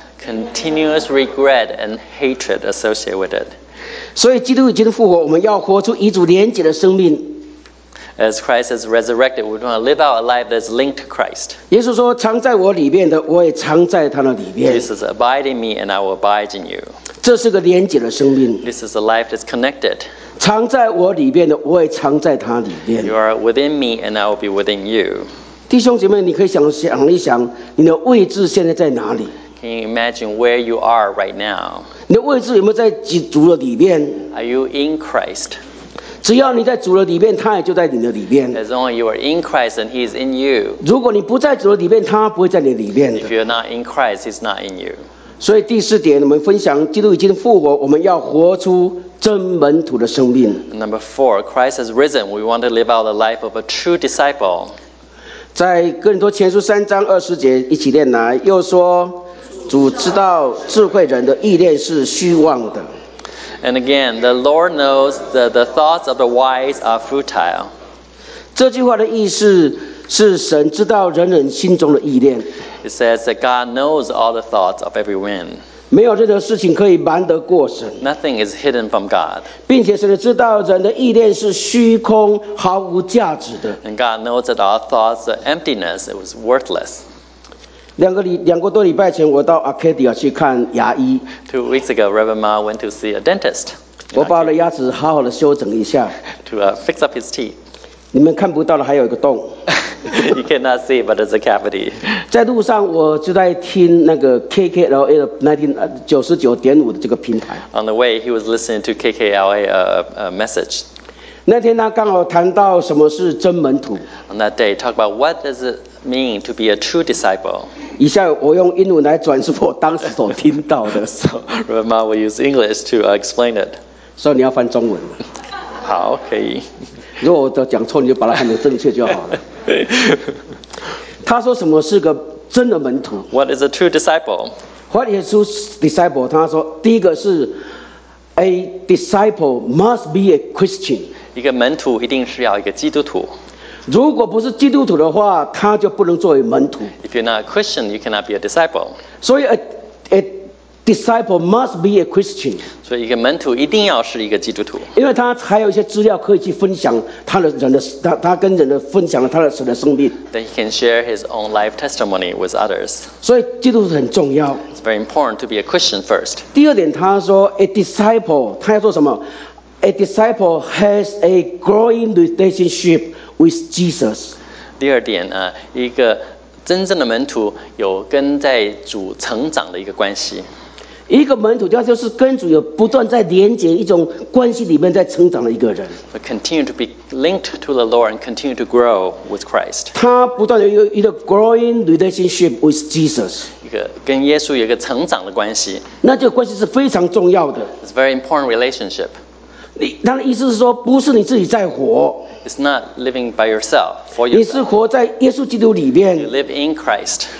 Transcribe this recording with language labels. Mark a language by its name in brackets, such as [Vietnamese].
[English] Continuous regret and hatred associated with it. [Chinese] 所以基督已经复活，我们要活出与主连结的生命。 [English] As Christ is resurrected, we want to live out a life that's linked to Christ. [Chinese] 耶稣说，藏在我里面的，我也藏在他的里面。 [English] Jesus abides in me, and I will abide in you. [Chinese] 这是个连结的生命。 [English] This is a life that's connected. [Chinese] 藏在我里面的，我也藏在他里面。 [English] You are within me, and I will be within you. [Chinese] 弟兄姐妹，你可以想想一想，你的位置现在在哪里 [English] ？Can you imagine where you are right now? [Chinese] 你的位置有没有在基督的里面 [English] ？Are you in Christ? [Chinese] 只要你在主的里面，他也就在你的里面。 [English] As long as you are in Christ, and He is in you. [Chinese] 如果你不在主的里面，他不会在你里面的。 [English] If you're not in Christ, He's not in you. [Chinese] 所以第四点，我们分享基督已经复活，我们要活出真门徒的生命。 [English] Number four, Christ has risen. We want to live out the life of a true disciple. [Chinese] 在哥林多前书三章二十节一起念来，又说：“主知道智慧人的意念是虚妄的。” [English] And again, the Lord knows that the thoughts of the wise are futile. [Chinese] 这句话的意思是神知道人人心中的意念。 [English] It says that God knows all the thoughts of every man. [Chinese] 没有任何事情可以瞒得过神。 [English] Nothing is hidden from God. [Chinese] 并且神知道人的意念是虚空，毫无价值的。 [English] And God knows that our thoughts are emptiness. It was worthless. [Chinese] 两个多礼拜前，我到 Arcadia 去看牙医。 [English] Two weeks ago, Reverend Ma went to see a dentist. [Chinese] 我把我的牙齿好好的修整一下。 [English] To fix up his teeth. [Chinese] 你们看不到的还有一个洞。 [English] You cannot see, but it's a cavity. [Chinese] 在路上，我就在听那个 KKLA 99.5的这个平台。 [English] On the way, he was listening to KKLA message. [Chinese] 那天他刚好谈到什么是真门徒。 [English] On that day, talk about what does it mean to be a true disciple. [Chinese] 以下我用英文来转述我当时所听到的。 [English] So, Rama will use English to explain it. [Chinese] 所以你要翻中文。好，可以。如果我讲错，你就把它翻成正确就好了。他说什么是个真的门徒 [English] ？What is a true disciple? What is a true disciple? [Chinese] 他说，第一个是 [English] ，a disciple must be a Christian. [Chinese] 一个门徒一定是要一个基督徒。如果不是基督徒的话，他就不能作为门徒。 [English] If you're not a Christian, you cannot be a disciple. [Chinese] 所以 [English] a disciple must be a Christian. [Chinese] 所以一个门徒一定要是一个基督徒。因为他还有一些资料可以去分享他的人的 他跟人的分享他的神的生命。 [English] Then he can share his own life testimony with others. [Chinese] 所以基督徒很重要。 [English] It's very important to be a Christian first. [Chinese] 第二点，他说 [English] a disciple [Chinese] 他要做什么 [English] ？A disciple has a growing relationship with Jesus. [Chinese] 第二点啊，一个真正的门徒有跟在主成长的一个关系。一个门徒就是跟主有不断在连接一种关系里面在成长的一个人。 [English] Continue to be linked to the Lord and continue to grow with Christ. [Chinese] 他不断有一个 [English] growing relationship with Jesus. [Chinese] 一个跟耶稣有一个成长的关系。那这个关系是非常重要的。 [English] It's a very important relationship. [Chinese] 他的意思是说，不是你自己在活。 [English] It's not living by yourself, for yourself. [Chinese] 你是活在耶稣基督里面。 [English] You live in Christ.